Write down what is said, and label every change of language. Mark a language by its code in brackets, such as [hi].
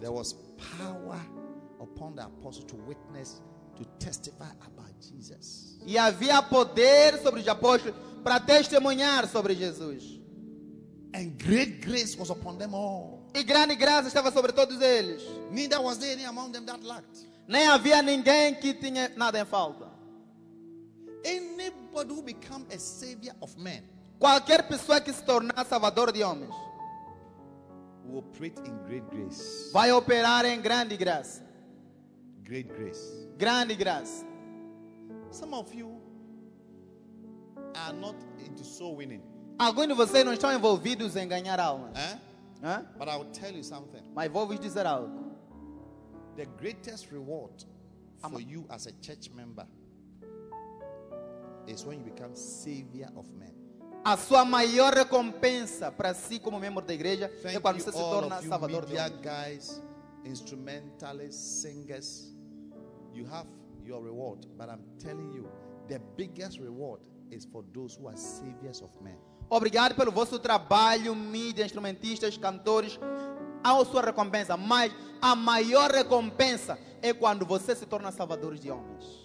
[en] There was power upon the apostles to witness, to testify about Jesus. [pt] E havia poder sobre os apóstolos para testemunhar sobre Jesus. [en] And great grace was upon them all. [pt] E grande graça estava sobre todos eles. [en] Neither was there any among them that lacked. [pt] Nem havia ninguém que tinha nada em falta. [en] Anybody who become a savior of men, [pt] qualquer pessoa que se tornar salvador de homens, [en] will operate in great grace. [pt] Vai operar em grande graça. [en] Great grace. [pt] Grande graça. [en] Some of you are not into soul winning. [pt] Alguns de vocês não estão envolvidos em ganhar almas. Eh? [en] But I will tell you something. [pt] Mas vou vos dizer algo. [en] The greatest reward for you as a church member is when you become savior of men. [pt] A sua maior recompensa para si como membro da igreja é quando você se torna salvador de homens. [en] Guys, instrumentalists, singers, you have your reward, but I'm telling you, the biggest reward is for those who are saviors of men. [pt] Obrigado pelo vosso trabalho, mídia, instrumentistas, cantores. Há a sua recompensa, mas a maior recompensa é quando você se torna salvador de homens.